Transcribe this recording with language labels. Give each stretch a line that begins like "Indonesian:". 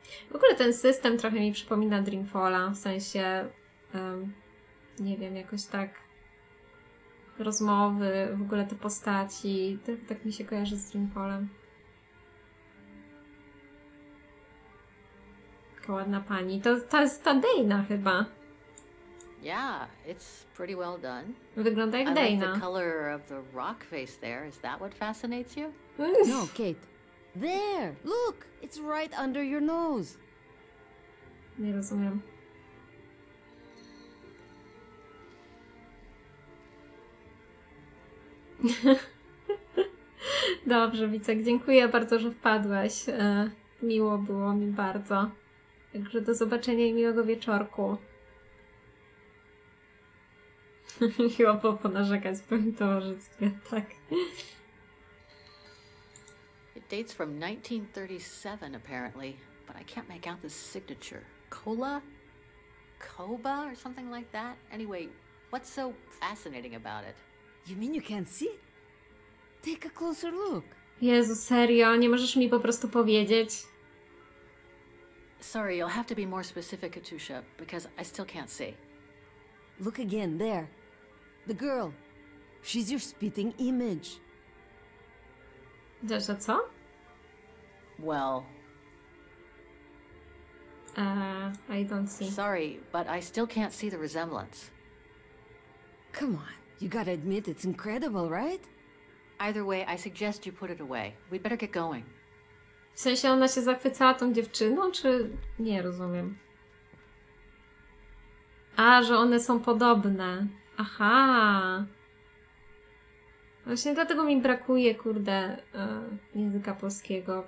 Polish: W ogóle ten system trochę mi przypomina Dreamfalla, w sensie, nie wiem, jakoś tak rozmowy, w ogóle te postaci, tak mi się kojarzy z Dreamfallem. Taka ładna pani, to jest ta Dana chyba.
English: Yeah, it's pretty well done.
Polish: Wygląda jak
English: Dana. I like the color of the rock face there. Is that what fascinates you? No, Kate. There! Look! It's right under your nose.
Polish: Nie rozumiem. Dobrze, Wicek. Dziękuję bardzo, że wpadłeś. Miło było mi bardzo. Także do zobaczenia i miłego wieczorku. Chyba po narzekać w tym towarzystwie, tak.
English: It dates from 1937 apparently, but I can't make out the signature. Cola? Coba or something like that? Anyway, what's so fascinating about it? You mean you can't see? Take a closer look.
Polish: Jezu, serio, nie możesz mi po prostu powiedzieć?
English: Sorry, you'll have to be more specific, Katusha, because I still can't see. Look again, there. The girl. She's your spitting image.
Polish: Widzisz, że co?
English: Well... I don't see. Sorry, but I still can't see the resemblance. Come on, you gotta admit it's incredible, right? Either way, I suggest you put it away. We'd better get going.
Polish: W sensie ona się zachwycała tą dziewczyną, czy... Nie rozumiem. A, że one są podobne. Aha! Właśnie dlatego mi brakuje, kurde, języka polskiego.